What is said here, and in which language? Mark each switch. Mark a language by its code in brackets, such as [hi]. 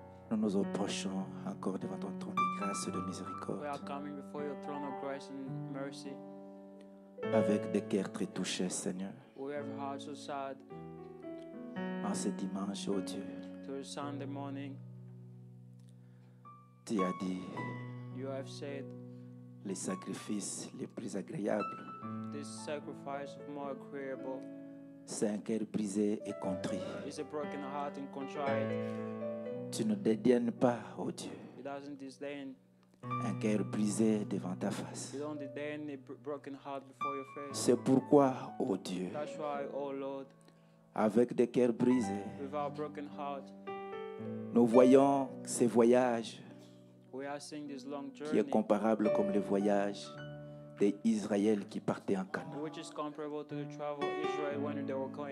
[fr] nous nous approchons encore devant ton trône de grâce et de miséricorde. [en] We are coming before your throne of grace and mercy. [fr] Avec des cœurs très touchés, Seigneur. [en] We have hearts so sad. [fr] En ce dimanche, oh Dieu, [en] to a Sunday morning, [fr] tu as dit, [en] you have said, [fr] les sacrifices les plus agréables, [en] this sacrifice of more agreeable, [fr] c'est un cœur brisé et contrit. [en] It's a broken heart and contrite. [fr] Tu ne dédaignes pas, oh Dieu, [en] it doesn't disdain, [fr] un cœur brisé devant ta face. [en] It don't disdain a broken heart before your face. [fr] C'est pourquoi, oh Dieu, [en] that's why, oh Lord, [fr] avec des cœurs brisés, [en] with our broken heart, [fr] nous voyons ces voyages, [en] we are seeing this long journey, [fr] qui est comparable comme le voyage d'Israël qui partait en Canaan. [en] Which is comparable to the travel Israel when they were going.